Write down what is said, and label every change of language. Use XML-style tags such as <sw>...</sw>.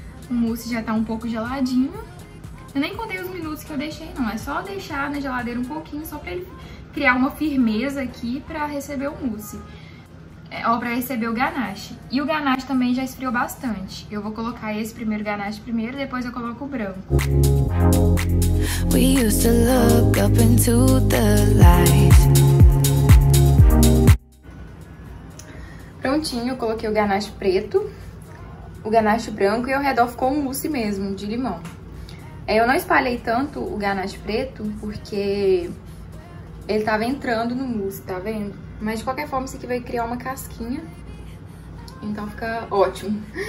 <pt>O mousse já tá um pouco geladinho. Eu nem contei os minutos que eu deixei, não. É só deixar na geladeira um pouquinho, só pra ele criar uma firmeza aqui pra receber o mousse. Pra receber o ganache. E o ganache também já esfriou bastante. Eu vou colocar esse primeiro ganache primeiro, depois eu coloco o branco.</pt> <en>We used to look up into the light.</en> <pt>Prontinho, eu coloquei o ganache preto, o ganache branco e ao redor ficou um mousse mesmo, de limão. Eu não espalhei tanto o ganache preto, porque ele tava entrando no mousse, tá vendo? Mas de qualquer forma, isso aqui vai criar uma casquinha, então fica ótimo.</pt>